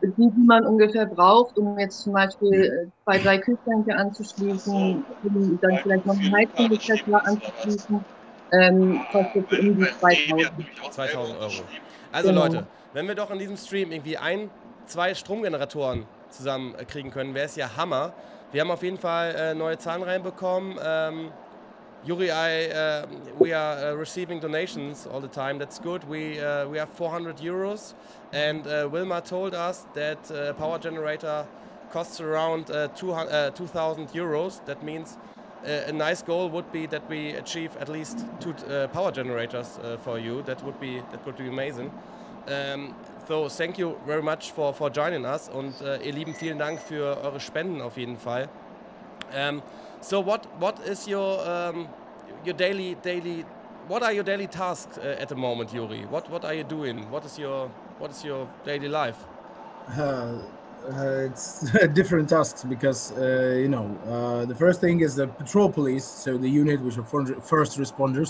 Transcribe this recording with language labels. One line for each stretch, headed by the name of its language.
German: Die man ungefähr braucht, um jetzt zum Beispiel zwei, drei Kühlschränke anzuschließen, dann vielleicht noch einen Heizungsgeschäftler anzuschließen, kostet so irgendwie 2000 Euro. Also genau. Leute, wenn wir doch in diesem Stream irgendwie ein, zwei Stromgeneratoren zusammen kriegen können, wäre es ja Hammer. Wir haben auf jeden Fall neue Zahlen reinbekommen.
English: Juri, we are receiving donations all the time. That's good. We have 400 euros. And Wilma told us that a power generator costs around 2,000 euros. That means a nice goal would be that we achieve at least two power generators for you. That would be amazing. So thank you very much for joining us.
German: Und ihr Lieben, vielen Dank für eure Spenden auf jeden Fall.
English: So what is your daily tasks at the moment, Juri? What are you doing? What is your daily life? It's different tasks because the first thing is the patrol police, so the unit which are first responders.